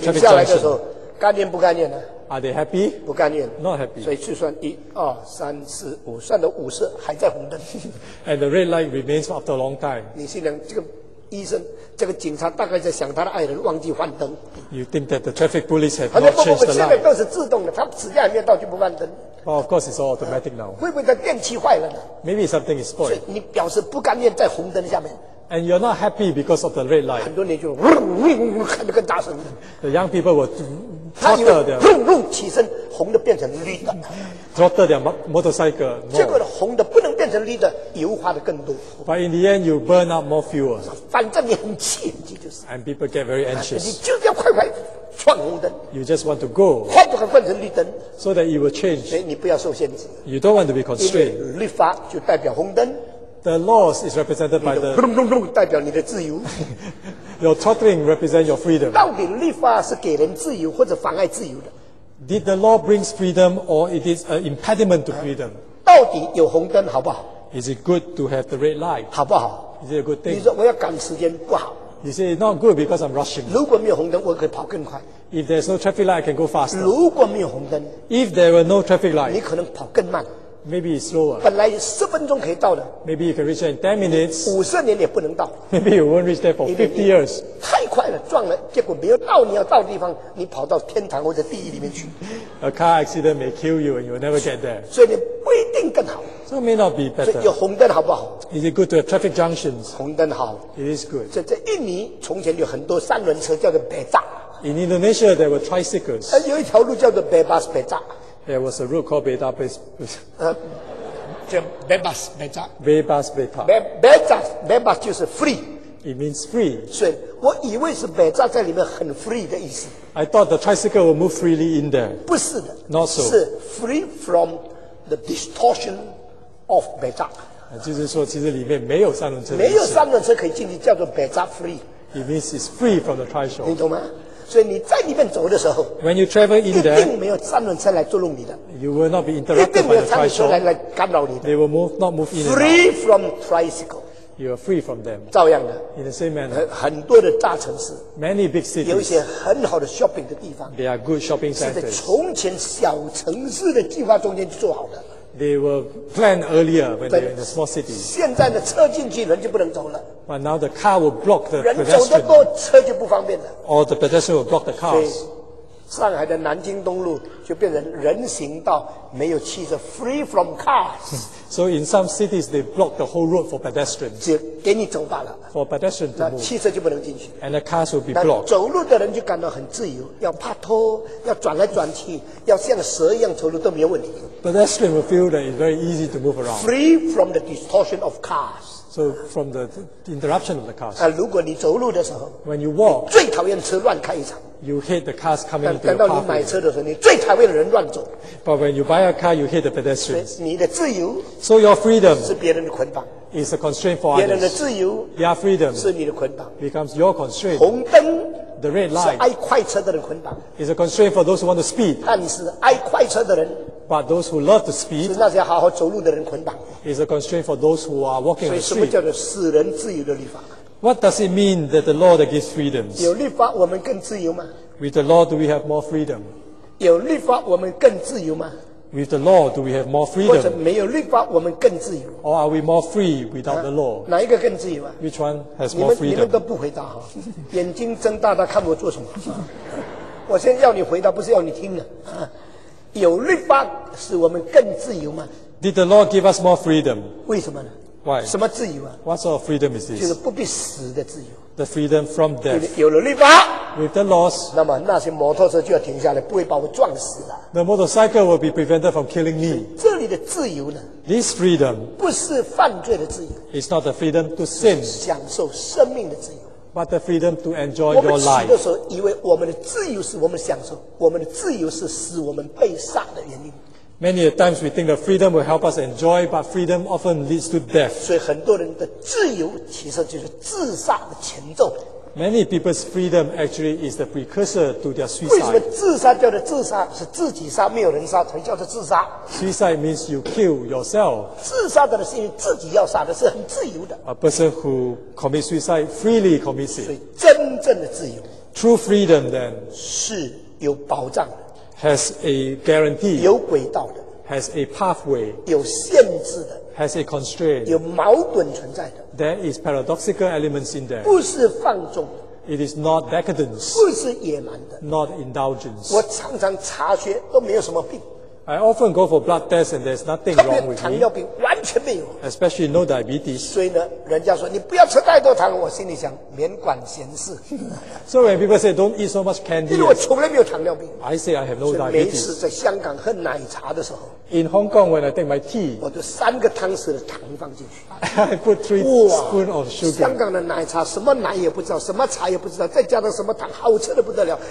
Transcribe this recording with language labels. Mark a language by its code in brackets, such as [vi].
[en] junction. [zh] 停下来的时候，干练不干练呢？ [en] Are they happy? [zh] 不干练。 [en] Not happy. [zh] 所以去算一、二、三、四、五，算到五十还在红灯。 [en] And the red light remains after a long time. [zh] 你心想这个医生，这个警察大概在想他的爱人忘记换灯。 [en] You think that the traffic police have not changed the light? [zh] 现在都是自动的，他时间还没到就不换灯。 [en] Well, of course, it's all automatic now. [zh] 会不会它电器坏了呢？ [en] Maybe something is spoiled. [zh] 所以你表示不甘愿在红灯下面。 [en] And you're not happy because of the red light. [zh] 很多年就呜呜呜看得更大声。 [en] The young people were throttled. [zh] 呜呜起身，红的变成绿的。 [en] Throttle their motorcycle. [zh] 结果红的不能变成绿的，油花的更多。 [en] But in the end, you burn up more fuel. [zh] 反正你很气，你就是。 [en] And people get very anxious. [zh] 你就要快快。闯红灯 [en] ，You just want to go， [zh] 换就换成绿灯 [en] ，so that you will change。 [zh] 你不要受限制 [en] ，You don't want to be constrained。 [zh] 律法就代表红灯 [en] ，The laws is represented by the。 [zh] 轰隆隆代表你的自由。 [en] Your trotting represents your freedom。 [zh] 到底律法是给人自由或者妨碍自由的 [en] ？Did the law bring freedom or it is an impediment to freedom？ [zh] 到底有红灯好不好 [en] ？Is it good to have the red light？ [zh] 好不好 [en] ？Is it a good thing？ [zh] 你说我要赶时间不好。 [en] You say it's not good because I'm rushing. [zh] 如果没有红灯，我可以跑更快。 [en] If there's no traffic light, I can go faster. [zh] 如果没有红灯 [en] ，If there were no traffic light, [zh] 你可能跑更慢。 [en] Maybe it's slower. [zh] 本来十分钟可以到的。 [en] Maybe you can reach there in 10 minutes. [zh] 五十年也不能到。 [en] Maybe you won't reach there for 50 years. [zh] 太快了，撞了，结果没有到你要到的地方，你跑到天堂或者地狱里面去。 [en] A car accident may kill you, and you'll never get there. [zh] 所以你不一定更好。 [en] So it may not be better. [zh] 所以有红灯好不好 [en] ？Is it good to have traffic junctions? [zh] 红灯好。 [en] It is good. [zh] 在印尼从前有很多三轮车叫做 Beca。 [en] In Indonesia there were tricycles. [zh] 有一条路叫做 Bebas Beca。 [en] There was a road called Beca Bebas. [zh] 叫 Bebas Beca。 [ms] Bebas Beca。 [zh] Bebas 就是 [en] free。 It means free. [zh] 所以我以为是 Beca 在里面很 [en] free [zh] 的意思。 [en] I thought the tricycle will move freely in there. [zh] 不是的。 [en] Not so. [zh] 是 [en] free from the distortion. Of Beca， [zh] 就是说，其实里面没有三轮车，没有三轮车可以进去，叫做 [en] Beca free。 It means it's free from the tricycle。 [zh] 你懂吗？所以你在里面走的时候 [en] ，When you travel in there， [zh] 一定没有三轮车来捉弄你的。 [en] You will not be interrupted by the tricycle。 [zh] 一定没有三轮车来干扰你的。 [en] They will move not move in and out。 Free from tricycle。 You are free from them。 [zh] 照样的。 [en] In the same manner。 [zh] 很多的大城市 [en] ，Many big cities， [zh] 有一些很好的 shopping 的地方 [en] ，They are good shopping centers。 [zh] 是在从前小城市的计划中间做好的。 [en] they were planned earlier when they were in a small city. [zh] 现在呢，车进去人就不能走了。 [en] But now the car will block the pedestrian. [zh] 人走得过，车就不方便了。 [en] Or the pedestrian will block the cars. [zh] 所以，上海的南京东路就变成人行道，没有汽车 ， [en] free from cars. So in some cities they block the whole road for pedestrians. [zh] 只给你走罢了。 [en] For pedestrian to move. [zh] 那汽车就不能进去。 [en] And the cars will be blocked. [zh] 走路的人就感到很自由，要爬坡，要转来转去，要像蛇一样走路都没有问题。 [en] Pedestrian will feel that it's very easy to move around. Free from the distortion of cars. So from the interruption of the cars. [zh] 如果你走路的时候 [en] ，When you walk, [zh] 最讨厌车乱开一场。 [en] You hate the cars coming into your pathway. [zh] 等到你买车的时候，你最讨厌人乱走。 [en] But when you buy a car, you hate the pedestrians. [zh] 你的自由 [en] ，So your freedom [zh] 是别人的捆绑 [en] ，is a constraint for others. [zh] 别人的自由 [en] ，their freedom [zh] 是你的捆绑 [en] ，becomes your constraint. [zh] 红灯。 [en] The red light [zh] 是爱快车的人捆绑 [en] is a constraint for those who want to speed. [zh] 但是爱快车的人 [en] but those who love to speed [zh] 是那些好好走路的人捆绑 [en] is a constraint for those who are walking on the street. [zh] 所以什么叫做使人自由的律法 [en] What does it mean that the law that gives freedoms? [zh] 有律法我们更自由吗 [en] With the law do we have more freedom? [zh] 有律法我们更自由吗 [en] With the law do we have more freedom? [zh] 或者没有律法我们更自由 [en] Or are we more free without the law? [zh] 哪一个更自由啊 [en] Which one has more freedom? [zh] 你们都不回答哈，眼睛睁大大看我做什么？我现在要你回答，不是要你听的。有律法使我们更自由吗 [en] ？Did the law give us more freedom? [zh] 为什么呢 [en] ？Why? [zh] 什么自由啊 [en] ？What sort of freedom is this? [zh] 就是不必死的自由。 [en] The freedom from death. [zh] 有了律法 [en] ，with the laws， [zh] 那么那些摩托车就要停下来，不会把我撞死了。 [en] The motorcycle will be prevented from killing me. [zh] 这里的自由呢 [en] ？This freedom [zh] 不是犯罪的自由。 [en] It's not the freedom to sin. [zh] 是享受生命的自由。 [en] But the freedom to enjoy your life. [zh] 我们死的时候以为我们的自由是我们享受，我们的自由是使我们被杀的原因。 [en] Many a times we think that freedom will help us enjoy, but freedom often leads to death. [zh] 所以很多人的自由其实就是自杀的前奏。 [en] Many people's freedom actually is the precursor to their suicide. [zh] 为什么自杀叫做自杀？是自己杀，没有人杀才叫做自杀。 [en] Suicide means you kill yourself. [zh] 自杀的人是因为自己要杀的，是很自由的。 [en] A person who commits suicide freely commits it. [zh] 所以真正的自由 [en] ，true freedom then [zh] 是有保障的。 [en] Has a guarantee. [zh] 有轨道的。 [en] Has a pathway. [zh] 有限制的。 [en] Has a constraint. [zh] 有矛盾存在的。 [en] There is paradoxical elements in there. [zh] 不是放纵。 [en] It is not decadence. [zh] 不是野蛮的。 [en] Not indulgence. [zh] 我常常查血都没有什么病。 [en] I often go for blood tests and there's nothing wrong with me. [zh] 特别糖尿病完全没有。 [en] Especially no diabetes. [zh] 所以呢，人家说你不要吃太多糖，我心里想免管闲事。 [en] So when people say don't eat so much candy, [zh] 因为我从来没有糖尿病。 [en] I say I have no diabetes. [zh] 每次在香港喝奶茶的时候 [en] ，In Hong Kong when I take my tea, [zh] 我就三个汤匙的糖放进去。 [en] I put three spoon of sugar. [zh] 香港的奶茶什么奶也不知道，什么茶也不知道，再加上什么糖，好吃的不得了。